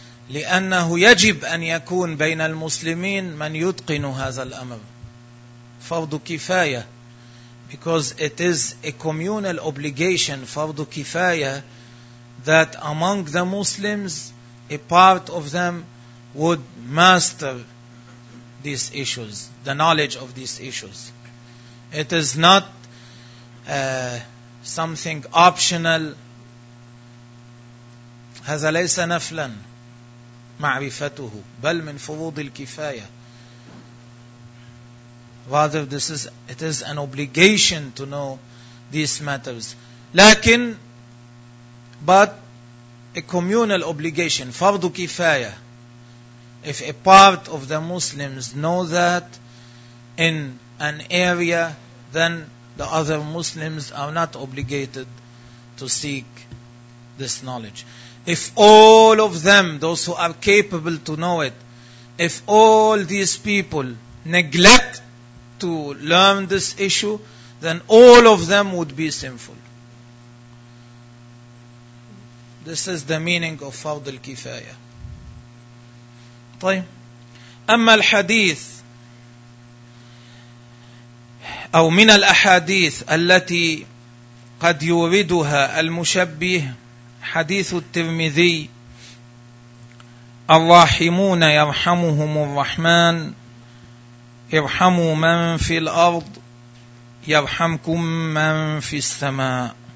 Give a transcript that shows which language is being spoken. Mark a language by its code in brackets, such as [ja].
[ar] لأنه يجب أن يكون بين المسلمين من يتقن هذا الأمر فرض كفاية [en] because it is a communal obligation فرض كفاية that among the Muslims a part of them would master these issues the knowledge of these issues. It is not something optional. [ar] هذا ليس نفلا معرفته بل من فروض الكفاية. [en] Rather, it is an obligation to know these matters. [ar] لكن, [en] but a communal obligation, فرض كفاية. If a part of the Muslims know that in an area, then the other Muslims are not obligated to seek this knowledge. If all of them, those who are capable to know it, if all these people neglect to learn this issue, then all of them would be sinful. This is the meaning of Fard al-Kifaya. [ar] طيب. أما الحديث أو من الأحاديث التي قد يوردها المشبه حديث الترمذي الراحمون يرحمهم الرحمن ارحموا من في الأرض يرحمكم من في السماء.